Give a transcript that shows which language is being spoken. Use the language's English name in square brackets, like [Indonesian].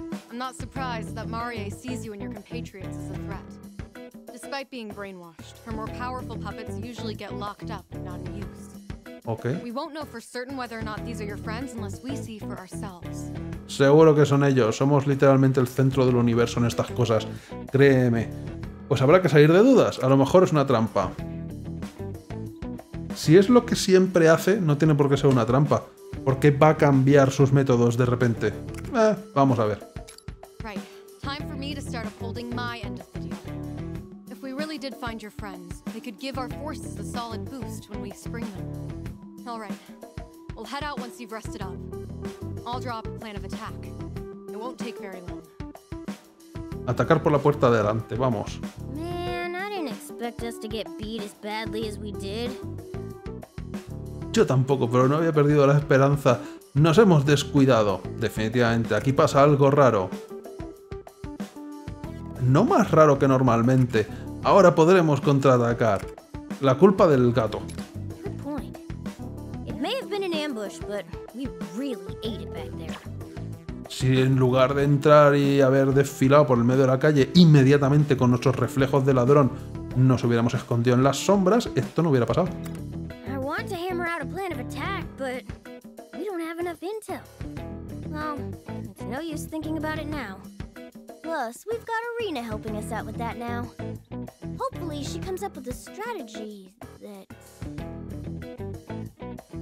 [English] I'm not surprised that Mario sees you and your compatriots as a threat. Despite being brainwashed, her more powerful puppets usually get locked up and not used. Okay. We won't know for certain whether or not these are your friends unless we see for ourselves. [Spanish] Seguro que son ellos. Somos literalmente el centro del universo en estas cosas. Créeme. Pues habrá que salir de dudas. A lo mejor es una trampa. Si es lo que siempre hace, no tiene por qué ser una trampa. ¿Por qué va a cambiar sus métodos de repente? Vamos a ver. [English] Right. Time for me to start upholding my end of the deal. If we really did find your friends, they could give our forces a solid boost when we spring them. All right. We'll head out once you've rested up. I'll draw up a plan of attack. It won't take very long. [Spanish] Atacar por la puerta de adelante, vamos. [English] Man, I didn't expect us to get beat as badly as we did. [Spanish] Yo tampoco, pero no había perdido la esperanza. Nos hemos descuidado. Definitivamente, aquí pasa algo raro. No más raro que normalmente. Ahora podremos contraatacar. La culpa del gato. [English] Good point. It may have been an ambush, but we really ate it back there. [Spanish] Si en lugar de entrar y haber desfilado por el medio de la calle inmediatamente con nuestros reflejos de ladrón, nos hubiéramos escondido en las sombras, esto no hubiera pasado. [English] To hammer out a plan of attack, but we don't have enough intel. Well, it's no use thinking about it now. Plus, we've got Arena helping us out with that now. Hopefully, she comes up with a strategy that...